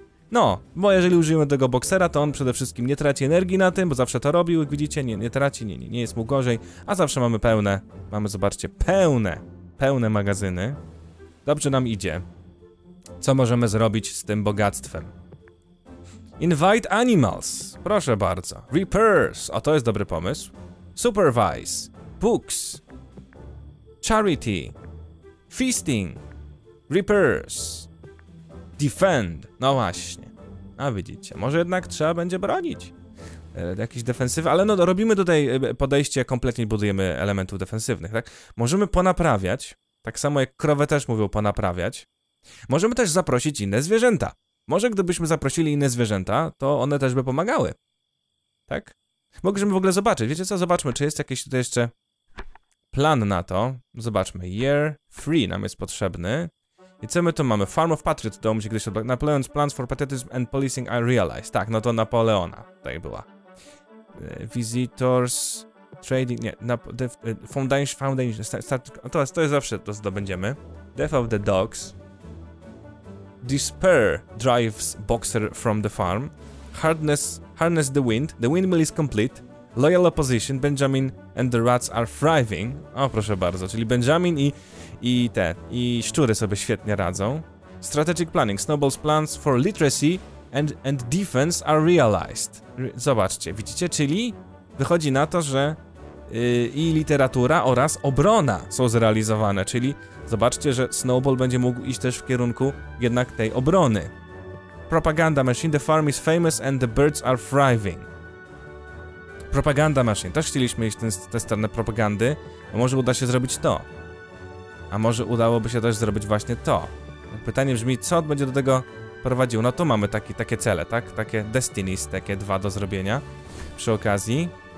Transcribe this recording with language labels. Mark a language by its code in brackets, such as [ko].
[pl] No, bo jeżeli użyjemy tego boksera, to on przede wszystkim nie traci energii na tym, bo zawsze to robił, jak widzicie, nie traci, nie jest mu gorzej. A zawsze mamy pełne, zobaczcie, pełne magazyny. Dobrze nam idzie. Co możemy zrobić z tym bogactwem? [en] Invite animals, [pl] proszę bardzo. Repairs, o to jest dobry pomysł. [en] Supervise, books, charity, feasting, repairs. [pl] Defend. No właśnie. A widzicie, może jednak trzeba będzie bronić. Jakiś defensywy, ale no robimy tutaj podejście, kompletnie budujemy elementów defensywnych, tak? Możemy ponaprawiać, tak samo jak krowę też mówią ponaprawiać. Możemy też zaprosić inne zwierzęta. Może gdybyśmy zaprosili inne zwierzęta, to one też by pomagały. Tak? Mogliśmy w ogóle zobaczyć, wiecie co? Zobaczmy, czy jest jakiś tutaj jeszcze plan na to. Zobaczmy, [en] year three [pl] nam jest potrzebny. I co my tu mamy? [en] Farm of Patriot Dome, [pl] gdzie gdzieś odblokowano. [en] Napoleon's plans for patriotism and policing I realize. [pl] Tak, no to Napoleona tutaj była. [en] Visitors, trading, [pl] nie, foundation, to jest zawsze, to zdobędziemy. [en] Death of the dogs. Despair drives boxer from the farm. Harness the wind, the windmill is complete. Loyal opposition, Benjamin and the rats are thriving. [pl] O, proszę bardzo, czyli Benjamin i szczury sobie świetnie radzą. [en] Strategic planning, Snowball's plans for literacy and defense are realized. [pl] Zobaczcie, widzicie, czyli wychodzi na to, że i literatura oraz obrona są zrealizowane, czyli zobaczcie, że Snowball będzie mógł iść też w kierunku jednak tej obrony. [en] Propaganda machine, the farm is famous and the birds are thriving. Propaganda machine. [pl] Też chcieliśmy iść w tę stronę propagandy. A może uda się zrobić to? A może udałoby się też zrobić właśnie to? Pytanie brzmi, co będzie do tego prowadził? No to mamy takie cele, tak? Takie destinies, takie dwa do zrobienia przy okazji.